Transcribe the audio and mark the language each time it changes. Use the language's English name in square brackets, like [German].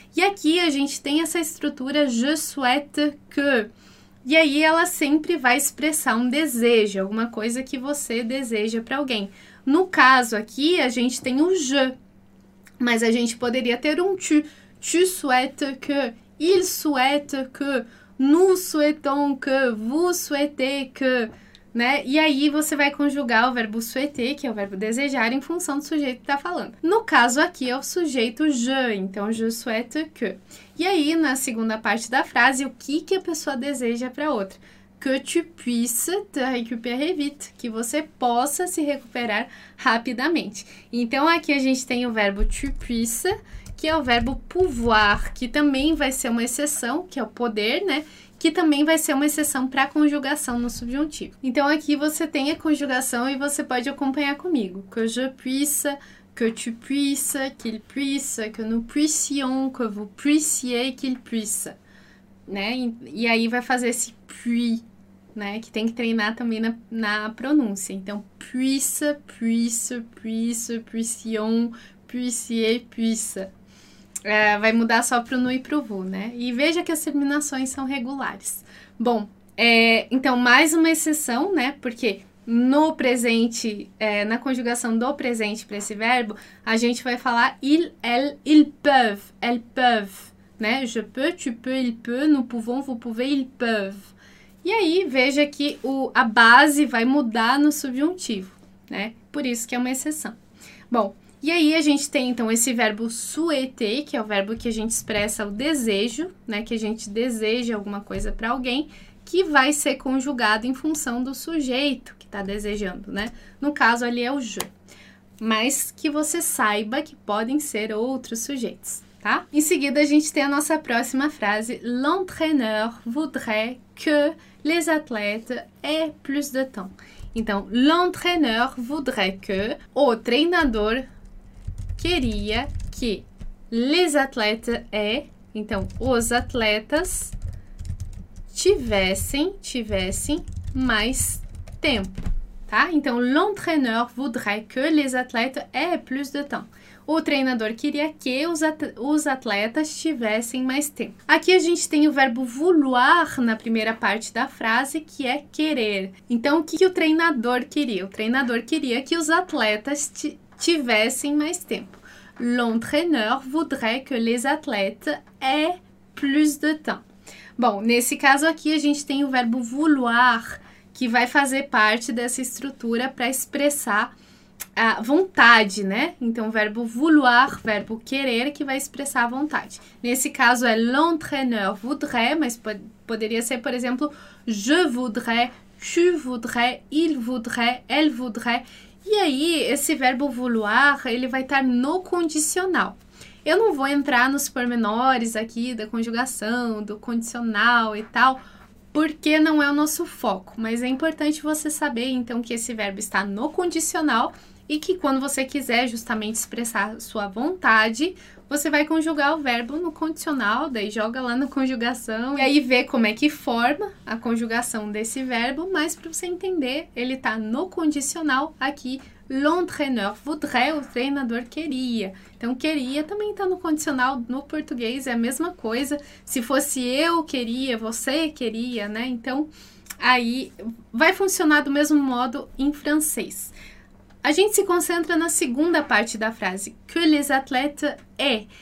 [Portuguese] E aqui a gente tem essa estrutura [French] je souhaite que. [Portuguese] E aí ela sempre vai expressar um desejo, alguma coisa que você deseja para alguém. No caso aqui, a gente tem o je, mas a gente poderia ter um tu. [French] Tu souhaites que, il souhaite que. Nous souhaitons que, vous souhaitez que, né? [Portuguese] E aí você vai conjugar o verbo souhaiter, que é o verbo desejar, em função do sujeito que está falando. No caso aqui é o sujeito je, então [French] je souhaite que. [Portuguese] E aí na segunda parte da frase, o que que a pessoa deseja para outra? [French] Que tu puisses te récupérer vite, [Portuguese] que você possa se recuperar rapidamente. Então aqui a gente tem o verbo [French] tu puisses, [Portuguese] que é o verbo pouvoir, que também vai ser uma exceção, que é o poder, né? Que também vai ser uma exceção para a conjugação no subjuntivo. Então aqui você tem a conjugação e você pode acompanhar comigo. [French] Que je puisse, que tu puisses, qu'il puisse, que nous puissions, que vous puissiez, qu'il puisse. [Portuguese] Né? E aí vai fazer esse puis, né? Que tem que treinar também na pronúncia. [French] Então, puisse, puisse, puisse, puissions, puissiez, puisse. [Portuguese] Vai mudar só para o nu e para o vu, né? E veja que as terminações são regulares. Bom, então mais uma exceção, né? Porque no presente, na conjugação do presente para esse verbo, a gente vai falar [French] il, elle, ils peuvent, elles peuvent, [Portuguese] né? [French] Je peux, tu peux, il peut, nous pouvons, vous pouvez, ils peuvent. [Portuguese] E aí veja que a base vai mudar no subjuntivo, né? Por isso que é uma exceção. Bom. E aí a gente tem então esse verbo souhaiter, que é o verbo que a gente expressa o desejo, né, que a gente deseja alguma coisa para alguém, que vai ser conjugado em função do sujeito que está desejando, né? No caso ali é o je. Mas que você saiba que podem ser outros sujeitos, tá? Em seguida a gente tem a nossa próxima frase: [French] L'entraîneur voudrait que les athlètes aient plus de temps. [Portuguese] Então, [French] l'entraîneur voudrait que [Portuguese] o treinador queria que [French] les athlètes aient, [Portuguese] então, os atletas tivessem mais tempo, tá? Então, [French] l'entraîneur voudrait que les athlètes aient plus de temps. [Portuguese] O treinador queria que os atletas tivessem mais tempo. Aqui a gente tem o verbo vouloir na primeira parte da frase, que é querer. Então, o que o treinador queria? O treinador queria que os atletas tivessem mais tempo. [French] L'entraîneur voudrait que les athlètes aient plus de temps. [Portuguese] Bom, nesse caso aqui a gente tem o verbo vouloir, que vai fazer parte dessa estrutura para expressar a vontade, né? Então, verbo vouloir, verbo querer, que vai expressar a vontade. Nesse caso é [French] l'entraîneur voudrait, [Portuguese] mas poderia ser, por exemplo, [French] je voudrais, tu voudrais, il voudrait, elle voudrait. [Portuguese] E aí, esse verbo vouloir, ele vai estar no condicional. Eu não vou entrar nos pormenores aqui da conjugação, do condicional e tal, porque não é o nosso foco, mas é importante você saber então que esse verbo está no condicional e que quando você quiser justamente expressar sua vontade, você vai conjugar o verbo no condicional, daí joga lá na conjugação e aí vê como é que forma a conjugação desse verbo, mas para você entender, ele está no condicional aqui. [French] L'entraîneur voudrait, [Portuguese] o treinador queria. Então, queria também está no condicional no português, é a mesma coisa. Se fosse eu queria, você queria, né? Então, aí vai funcionar do mesmo modo em francês. A gente se concentra na segunda parte da frase, [French] que les athlètes aient.